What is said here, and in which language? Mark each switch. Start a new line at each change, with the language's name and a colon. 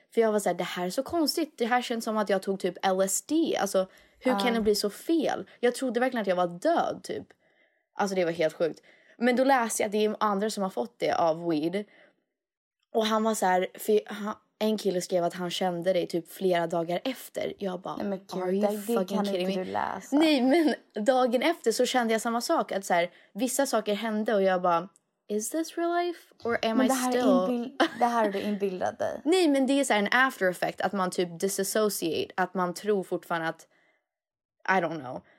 Swedish: För jag var såhär, det här är så konstigt. Det här känns som att jag tog typ LSD. Alltså, hur kan det bli så fel? Jag trodde verkligen att jag var död, typ. Alltså, det var helt sjukt. Men då läste jag att det är andra som har fått det av weed. Och han var såhär, en kille skrev att han kände det typ flera dagar efter. Jag bara, nej, men gud,
English: are you det fucking kidding me?
Swedish: Nej, men dagen efter så kände jag samma sak. Att såhär, vissa saker hände och jag bara,
English: is this real life or am I still?
Swedish: Det här är du inbildat dig. Nej, men det är så här en after effect, att man typ disassociate, att man tror fortfarande att,
English: I don't know.